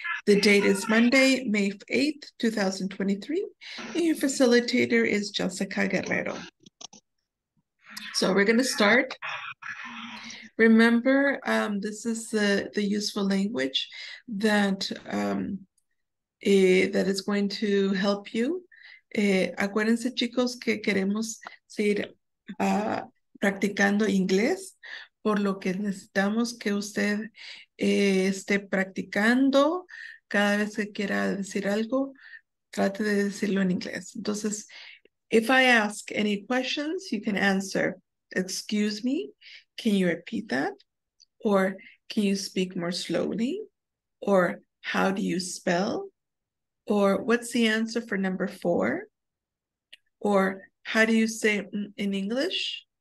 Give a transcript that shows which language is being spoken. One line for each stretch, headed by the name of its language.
English: The date is Monday, May 8th, 2023. And your facilitator is Jessica Guerrero. So we're gonna start. Remember, this is the useful language that that is going to help you.
Spanish: Acuérdense, chicos, que queremos seguir practicando inglés, por lo que necesitamos que usted esté practicando cada vez que quiera decir algo, trate de decirlo en inglés.
English: Entonces, if I ask any questions, you can answer, excuse me, can you repeat that? Or can you speak more slowly? Or how do you spell? Or what's the answer for number 4? Or how do you say it in English?